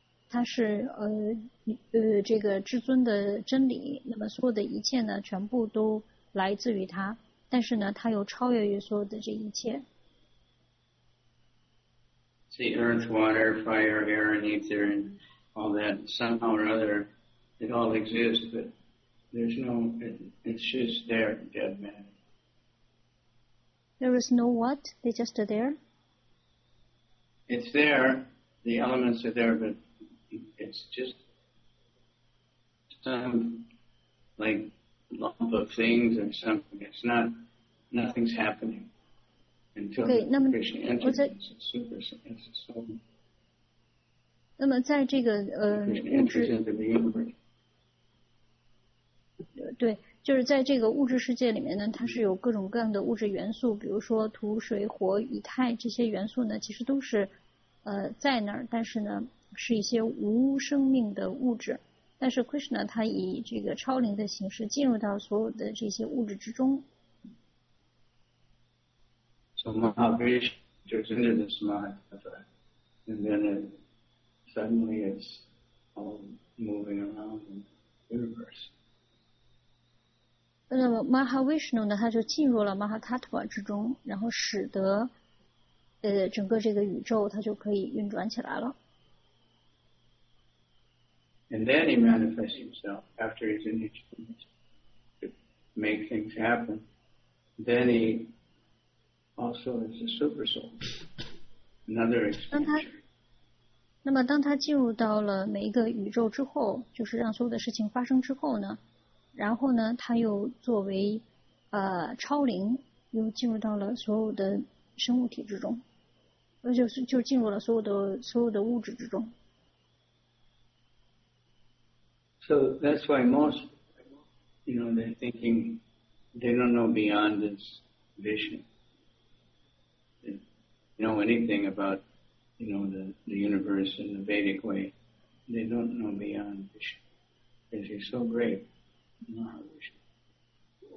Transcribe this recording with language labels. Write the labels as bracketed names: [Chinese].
[Chinese] 它是这个至尊的真理，那么所有的一切呢全部都来自于它，但是呢它又超越于所有的这一切。 [English] See earth, water, fire, air and ether and all that somehow or other it all exists but there's no it's just there dead man. There is no what? They just are there? It's there, the elements are there butIt's just some like lump of things or something. It's not, nothing's happening until Krishna enters. It's a super, it's a soul. [Chinese] 那么在这个 [English] Krishna enters into the universe. [Chinese] 对。就是在这个物质世界里面呢，它是有各种各样的物质元素，比如说土、水、火、以太这些元素呢，其实都是在那儿，但是呢。是一些无生命的物质，但是 Krishna 他以这个超灵的形式进入到所有的这些物质之中。 [English] So Mahavishnu is under this Mahatattva, and then suddenly it's all moving around in the universe. [Chinese] 那么 Mahavishnu 呢，他就进入了 Mahatattva 之中，然后使得整个这个宇宙它就可以运转起来了。 [English] And then he manifests himself after he's in each place to make things happen. Then he also is a super soul. another expansion. [Chinese] 那么当他进入到了每一个宇宙之后，就是让所有的事情发生之后呢，然后呢他又作为超灵又进入到了所有的生物体之中，就进入了所有的物质之中。 [English] So that's why most, you know, they're thinking they don't know beyond this vision. They know anything about, you know, the universe in the Vedic way. They don't know beyond vision. Because he's so great, Mahavishnu.